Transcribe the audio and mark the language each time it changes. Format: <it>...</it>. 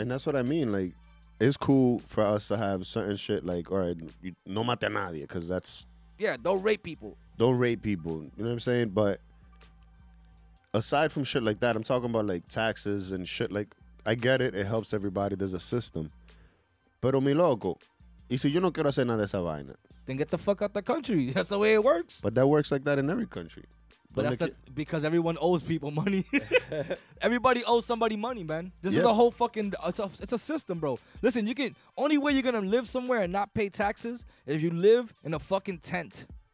<en>And that's what I mean. Like, it's cool for us to have certain shit. Like, all right,</en> <es>no mate a nadie,</es> <en>because that's yeah. Don't rape people. Don't rape people. You know what I'm saying? But aside from shit like that, I'm talking about like taxes and shit. Like, I get it. It helps everybody. There's a system.</en> <es>Pero mi loco, y si yo no quiero hacer nada de esa vaina?</es> <en>Then get the fuck out the country. That's the way it works. But that works like that in every country. But don't that's the, because everyone owes people money. Everybody owes somebody money, man. This yeah. is a whole fucking, it's a system, bro. Listen, you can, only way you're going to live somewhere and not pay taxes is if you live in a fucking tent.</en>